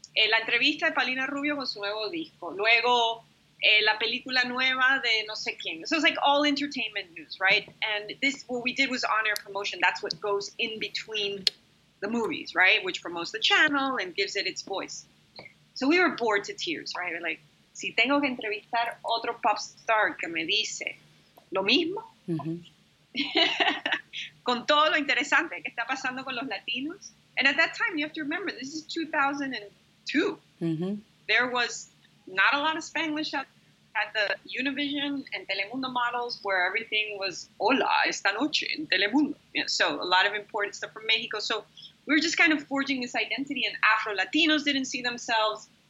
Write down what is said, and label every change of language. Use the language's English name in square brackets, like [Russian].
[Spanish] La entrevista de Paulina Rubio con su nuevo disco. Luego, la película nueva de no sé quién. [English] So it's like all entertainment news, right? And this, what we did was on-air promotion. That's what goes in between the movies, right? Which promotes the channel and gives it its voice. So we were bored to tears, right? We're like, [Spanish] si tengo que entrevistar otro pop star que me dice lo mismo, con todo lo interesante que está pasando con los latinos. [English] And at that time, you have to remember, this is 2002. There was not a lot of Spanglish at the Univision and Telemundo models, where everything was [Spanish] hola esta noche en Telemundo, [English] you know, so a lot of important stuff from Mexico. So we were just kind of forging this identity, and Afro-Latinos didn't see themselves.